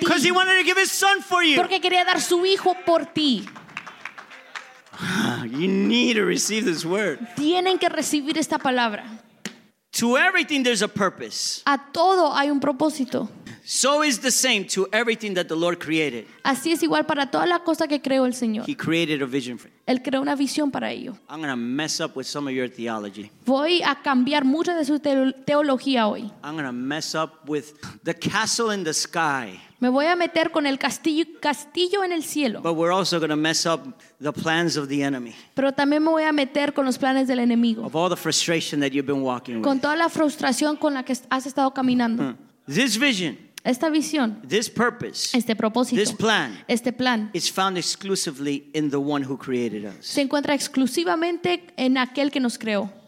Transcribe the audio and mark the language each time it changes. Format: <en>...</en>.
<en>Because he wanted to give his son for you.</en> <es>Porque quería dar su hijo por ti.</es> <en>You need to receive this word.</en> <es>Tienen que recibir esta palabra.</es> <en>To everything there's a purpose.</en> <es>A todo hay un propósito.</es> <en>So is the same to everything that the Lord created.</en> <es>Así es igual para toda la cosa que creó el Señor.</es> <en>He created a vision for.</en> <es>Él creó una visión para ello.</es> <en>I'm going to mess up with some of your theology.</en> <es>Voy a cambiar mucho de su teología hoy.</es> <en>I'm going to mess up with the castle in the sky.</en> <es>Me voy a meter con el castillo en el cielo.</es> <en>But we're also going to mess up the plans of the enemy.</en> <es>Pero también me voy a meter con los planes del enemigo.</es> <en>Of all the frustration that you've been walking with.</en> <es>Con toda la frustración con la que has estado caminando.</es> <en>This vision.</en> <es>Esta visión.</es> <en>This purpose.</en> <es>Este propósito.</es> <en>This plan.</en> <es>Este plan.</es> <en>Is found exclusively in the one who created us.</en> <es>Se encuentra exclusivamente en aquel que nos creó.</es>